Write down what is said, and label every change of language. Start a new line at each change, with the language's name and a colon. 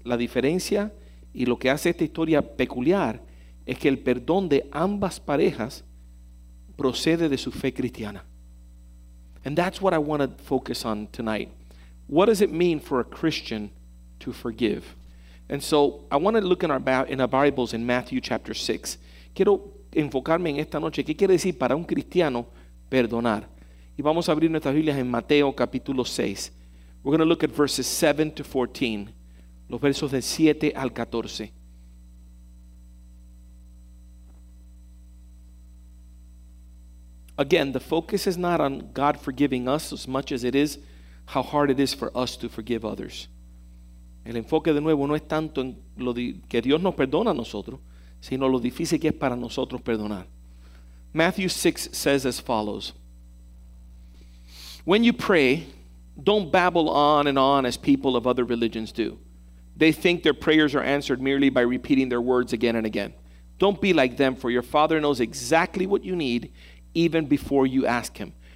Spanish: La diferencia y lo que hace esta historia peculiar es que el perdón de ambas parejas procede de su fe cristiana.
English: And that's what I want to focus on tonight. What does it mean for a Christian to forgive? And so I want to look in our Bibles in Matthew chapter 6.
Spanish: Quiero enfocarme en esta noche. ¿Qué quiere decir para un cristiano perdonar? Y vamos a abrir nuestras Biblias en Mateo capítulo 6.
English: We're going to look at verses 7 to 14.
Spanish: Los versos de 7 al 14.
English: Again, the focus is not on God forgiving us as much as it is how hard it is for us to forgive others.
Spanish: El enfoque de nuevo no es tanto en lo que Dios nos perdona a nosotros, sino lo difícil que es para nosotros perdonar.
English: Matthew 6 says as follows. When you pray, don't babble on and on as people of other religions do. They think their prayers are answered merely by repeating their words again and again. Don't be like them, for your Father knows exactly what you need even before you ask him.